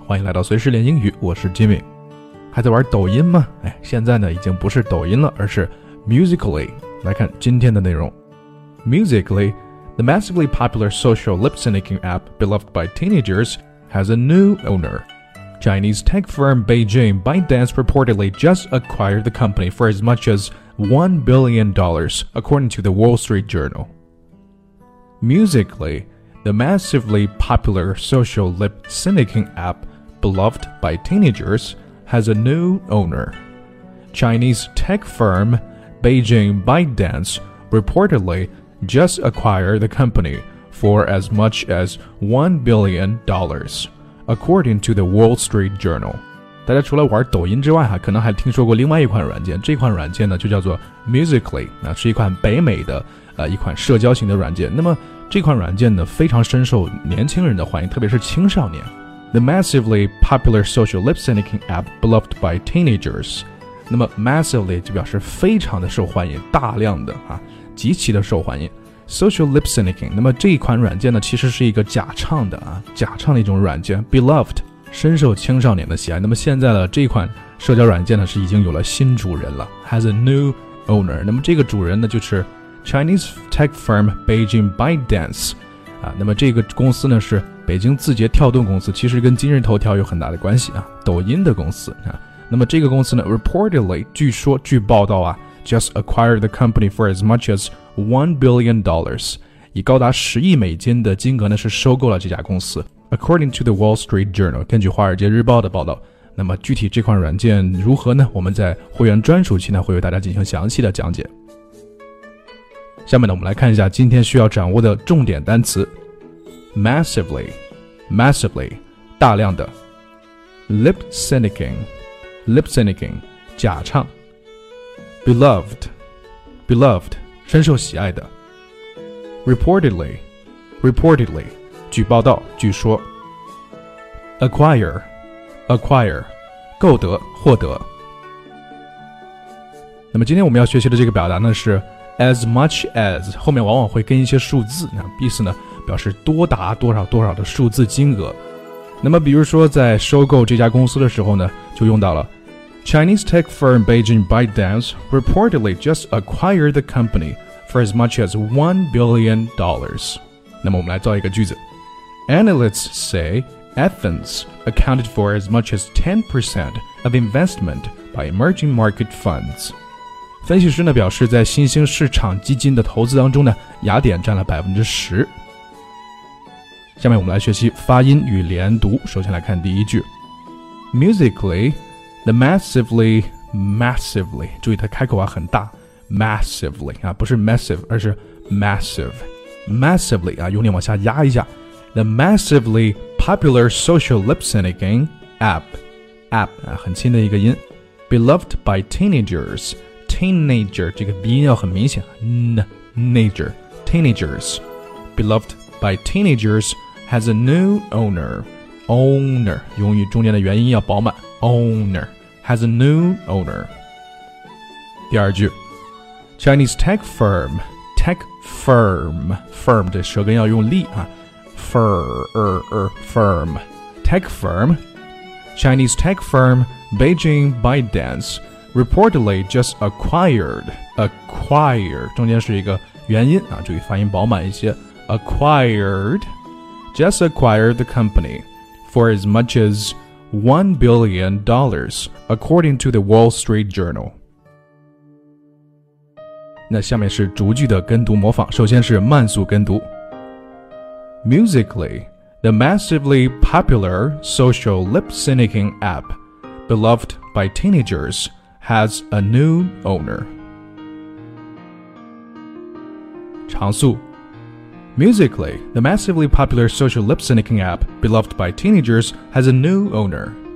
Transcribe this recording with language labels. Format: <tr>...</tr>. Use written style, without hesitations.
<zh>欢迎来到随时练英语，我是 Jimmy。还在玩抖音吗？哎，现在呢已经不是抖音了，而是 Musical.ly。来看今天的内容。</zh> <en>Musical.ly, the massively popular social lip-syncing app beloved by teenagers, has a new owner. Chinese tech firm Beijing ByteDance reportedly just acquired the company for as much as $1 billion, according to the Wall Street Journal. Musical.ly,The massively popular social lip-syncing app, beloved by teenagers, has a new owner. Chinese tech firm Beijing ByteDance reportedly just acquired the company for as much as $1 billion, according to the Wall Street Journal.</en> <zh>大家除了玩抖音之外，可能还听说过另外一款软件，这款软件呢就叫做 Musical.ly, 是一款北美的一款社交型的软件。那么这款软件呢非常深受年轻人的欢迎，特别是青少年。</zh> <en>The massively popular social lip-syncing app beloved by teenagers.</en> <zh>那么 massively 就表示非常的受欢迎，大量的啊，极其的受欢迎。</zh> <en>Social lip-syncing,</en> <zh>那么这一款软件呢其实是一个假唱的啊，假唱的一种软件， beloved, 深受青少年的喜爱。那么现在呢这一款社交软件呢是已经有了新主人了，</zh> <en>has a new owner.</en> <zh>那么这个主人呢就是</zh> <en>Chinese tech firm Beijing ByteDance,</en> <zh>那么这个公司呢是北京字节跳动公司，其实跟今日头条有很大的关系啊，抖音的公司啊。那么这个公司呢</zh> <en>，reportedly</en> <zh>据说据报道啊</zh> <en>，just acquired the company for as much as $1 billion,</en> <zh>以高达10亿美金的金额呢是收购了这家公司。</zh> <en>According to the Wall Street Journal,</en> <zh>根据华尔街日报的报道，那么具体这款软件如何呢？我们在会员专属期呢会为大家进行详细的讲解。下面呢我们来看一下今天需要掌握的重点单词。</zh> <en>Massively, massively,</en> <zh>大量的。</zh> <en>Lip-syncing, lip-syncing,</en> <zh>假唱。</zh> <en>Beloved,</en> <zh>beloved, 深受喜爱的。</zh> <en>Reportedly,</en> <zh>reportedly, 据报道，据说。</zh> <en>Acquire,</en> <zh>acquire, 购得，获得。那么今天我们要学习的这个表达呢是</zh> <en>As much as,</en> <zh>后面往往会跟一些数字，意思呢表示多达多少多少的数字金额。那么比如说在收购这家公司的时候呢就用到了</zh> <en>Chinese tech firm Beijing ByteDance reportedly just acquired the company for as much as $1 billion.</en> <zh>那么我们来造一个句子。</zh> <en>Analysts say Athens accounted for as much as 10% of investment by emerging market funds.</en> <zh>分析师呢表示在新兴市场基金的投资当中呢雅典占了10%。下面我们来学习发音与连读，首先来看第一句。</zh> <en>Musical.ly, the massively, massively,</en> <zh>注意它开口啊很大 massively, 啊不是 massive, 而是 massive, massively, 啊用力往下压一下。</zh> <en>The massively popular social lip-syncing app,</en> <zh>app, 啊很轻的一个音。</zh> <en>Beloved by teenagers,</en> <zh>Teenager, 这个鼻音要很明显。</zh> <en>Teenager, teenagers, beloved by teenagers, has a new owner.</en> <zh>Owner, 用语中间的元音要饱满。</zh> <en>Owner, has a new owner.</en> <zh>第二句</zh> <en>Chinese tech firm,</en> <zh>tech firm, firm, 这舌根要用力啊。</zh> <en>Firm, tech firm, Chinese tech firm, Beijing ByteDance,Reportedly just acquired,</en> <zh>acquired, 中间是一个元音、注意发音饱满一些</zh> <en>acquired, just acquired the company for as much as $1 billion, according to the Wall Street Journal.</en> <zh>那下面是逐句的跟读模仿，首先是慢速跟读。</zh> <en>Musical.ly, the massively popular social lip-syncing app, beloved by teenagers,has a new owner.</en> <zh>长速</zh> <en>Musical.ly, the massively popular social lip-syncing app, beloved by teenagers, has a new owner.</en>